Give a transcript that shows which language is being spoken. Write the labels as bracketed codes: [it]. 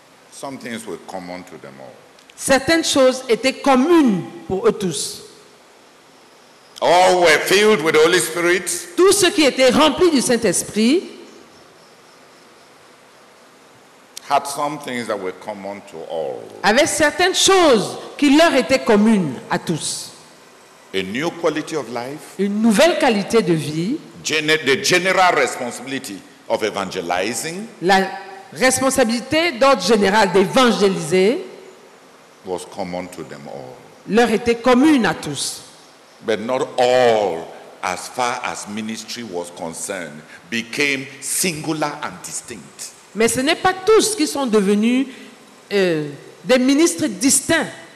[en] Some things were common to them all. [fr] Certaines choses étaient communes pour eux tous. [en] All were filled with the Holy Spirit. [fr] Tous ceux qui étaient remplis du Saint-Esprit [en] had some things that were common to all. [fr] Avaient certaines choses qui leur étaient communes à tous. [en] A new quality of life. [fr] Une nouvelle qualité de vie. [en] The general responsibility of evangelizing. [fr] La responsabilité d'ordre général d'évangéliser [en] was common to them all. [fr] Leur était commune à tous. [en] But not all, as far as ministry was concerned, became singular and distinct. [fr] Mais ce n'est pas tous qui sont devenus des ministres distincts.